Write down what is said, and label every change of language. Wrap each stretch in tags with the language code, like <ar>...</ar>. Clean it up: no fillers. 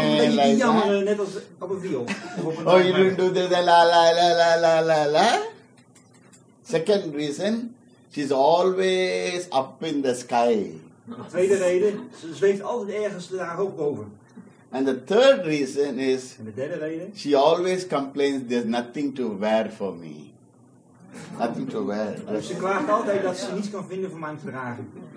<nl>like jammer, net als op een viool.</nl> <en>Oh, you don't do the la la la la la la la. Second reason, she's always up in the sky.</en> <nl>Tweede reden, ze zweeft altijd ergens daar ook boven.</nl> <en>And the third reason is,</en> <nl>en de derde reden,</nl> <en>she always complains there's nothing to wear for me. Nothing to wear.</en> <nl>Dus ze klaagt altijd dat ze niets kan vinden voor mij om te dragen.</nl>